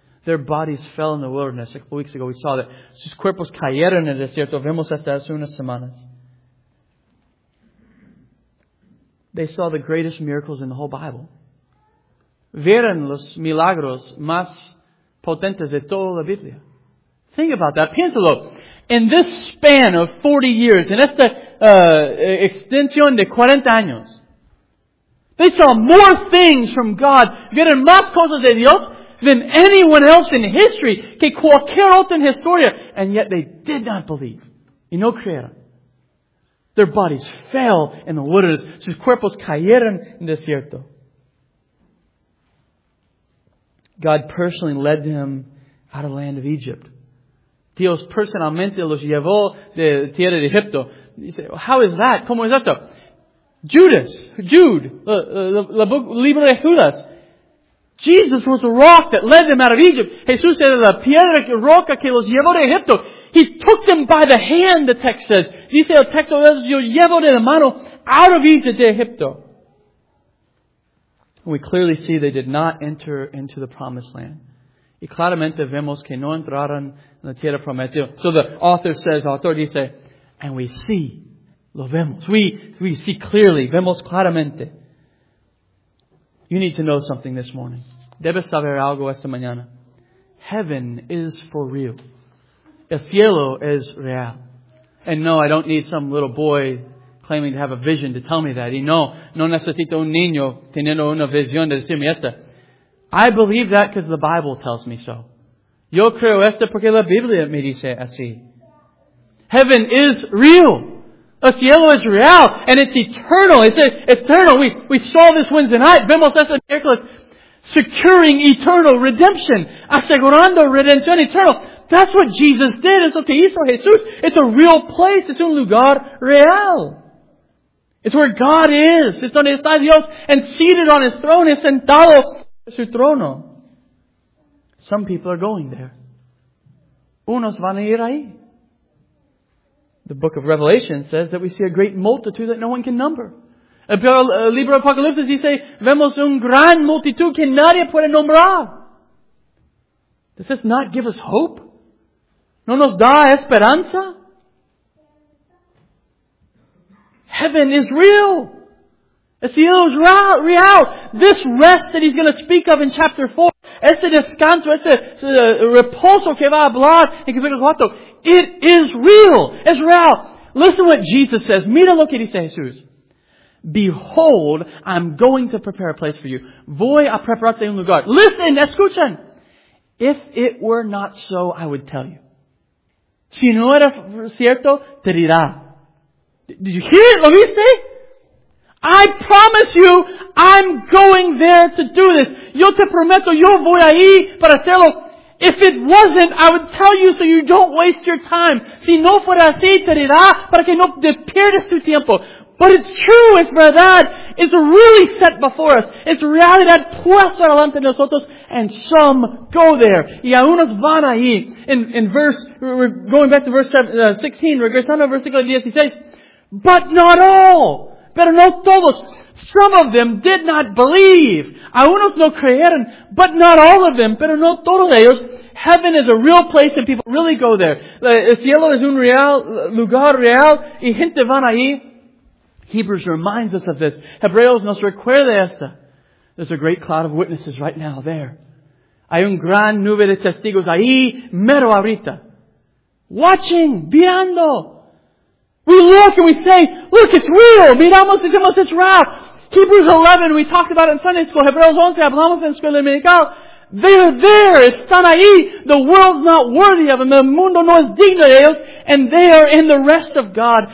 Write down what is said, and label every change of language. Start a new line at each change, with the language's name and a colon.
English: Their bodies fell in the wilderness. A couple weeks ago we saw that.
Spanish: Sus cuerpos cayeron en el desierto. Vemos hasta hace unas semanas.
English: They saw the greatest miracles in the whole Bible.
Spanish: Vieron los milagros más potentes de toda la Biblia.
English: Think about that.
Spanish: Piénsalo.
English: In this span of 40 years, in
Spanish: esta extensión de 40 años,
English: they saw more things from God.
Spanish: Vieron más cosas de Dios
English: than anyone else in history,
Spanish: que cualquier otro en historia.
English: And yet they did not believe.
Spanish: Y no creyeron.
English: Their bodies fell in the wilderness.
Spanish: Sus cuerpos cayeron en desierto.
English: God personally led them out of the land of Egypt.
Spanish: Dios personalmente los llevó de tierra de Egipto.
English: You say, how is that?
Spanish: ¿Cómo es esto? Jude, la book, libro de Judas.
English: Jesus was the rock that led them out of Egypt.
Spanish: Jesús era la piedra, roca que los llevó de Egipto.
English: He took them by the hand, the text says.
Spanish: Dice el texto, los llevó de la mano
English: out of Egypt
Spanish: de Egipto.
English: We clearly see they did not enter into the promised land.
Spanish: Y claramente vemos que no entraron en la tierra prometida.
English: So the author says, the author dice, and we see,
Spanish: lo vemos.
English: We see clearly,
Spanish: vemos claramente.
English: You need to know something this morning.
Spanish: Debes saber algo esta mañana.
English: Heaven is for real. El cielo es real. And no, I don't need some little boy claiming to have a vision to tell me that.
Spanish: Y no necesito un niño teniendo una visión de decirme esta.
English: I believe that because the Bible tells me so.
Spanish: Yo creo esto porque la Biblia me dice así.
English: Heaven is real.
Spanish: El cielo es real.
English: And it's eternal. It's eternal. We saw this Wednesday night.
Spanish: Vemos esta miércoles.
English: Securing eternal redemption.
Spanish: Asegurando redención eternal.
English: That's what Jesus did.
Spanish: Es lo que hizo Jesús.
English: It's a real place.
Spanish: Es un lugar real.
English: It's where God is.
Spanish: Es donde está Dios.
English: And seated on His throne.
Spanish: Es sentado en su trono.
English: Some people are going there.
Spanish: Unos van a ir ahí.
English: The book of Revelation says that we see a great multitude that no one can number.
Spanish: El libro Apocalipsis dice, vemos un gran multitud que nadie puede nombrar.
English: Does this not give us hope?
Spanish: ¿No nos da esperanza?
English: Heaven is real.
Spanish: El cielo es real.
English: This rest that he's going to speak of in chapter 4,
Spanish: este descanso, este reposo que va a hablar en capítulo 4,
English: it is real. It's real. Listen to what Jesus says.
Spanish: Mira lo que dice Jesús.
English: Behold, I'm going to prepare a place for you.
Spanish: Voy a prepararte un lugar.
English: Listen,
Spanish: escuchen.
English: If it were not so, I would tell you.
Spanish: Si no era cierto, te dirá.
English: Did you hear it?
Spanish: Lo viste?
English: I promise you, I'm going there to do this.
Spanish: Yo te prometo, yo voy ahí para hacerlo.
English: If it wasn't, I would tell you so you don't waste your time.
Spanish: Si no fuera así, te dirá para que no pierdas tu tiempo.
English: But it's true, it's verdad. It's really set before us.
Spanish: It's realidad puesta delante de nosotros.
English: And some go there.
Spanish: Y a unos van ahí.
English: In verse, going back to verse 16,
Spanish: regresando a versículo 16,
English: but not all.
Spanish: Pero no todos.
English: Some of them did not believe.
Spanish: A unos no creyeron,
English: but not all of them.
Spanish: Pero no todos ellos.
English: Heaven is a real place and people really go there.
Spanish: El cielo es un real lugar real y gente van ahí.
English: Hebrews reminds us of this.
Spanish: Hebreos nos recuerda esta.
English: There's a great cloud of witnesses right now there.
Spanish: Hay un gran nube de testigos ahí, mero ahorita.
English: Watching, viendo. We look and we say, look, it's real.
Spanish: Miramos y decimos,
English: it's real. Hebrews 11, we talked about it in Sunday school.
Spanish: Hebreos 11, hablamos en escuela dominical.
English: They're there.
Spanish: Están ahí.
English: The world's not worthy of them.
Spanish: El mundo no es digno de ellos.
English: And they are in the rest of God.